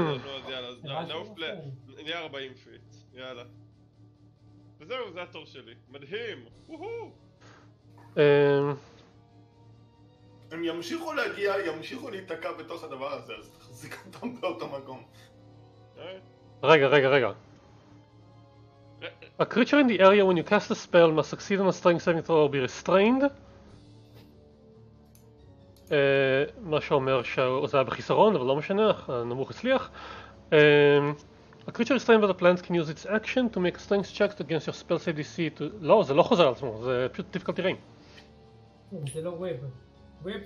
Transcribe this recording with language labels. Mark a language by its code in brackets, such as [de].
[he] טוב, אז יאללה, נעוף ל... נהיה 40 פיט, יאללה. וזהו, זה התור שלי. מדהים! הם ימשיכו להגיע, ימשיכו להתעקע בתוך הדבר הזה, אז תחזיק אותם באותו מקום. רגע, רגע, רגע. [en] A creature in the area when you cast a spell must succeed on a strength saving throw or be restrained. [he] מה שאומר שזה היה בחיסרון, אבל לא משנה, הנמוך הצליח. [en] A creature restrained by the plant can use its action to make a strength check against your spell save DC to... [he] לא, זה לא חוזר על עצמו, זה פשוט [en] difficulty rain. [he] זה לא וייב. וייב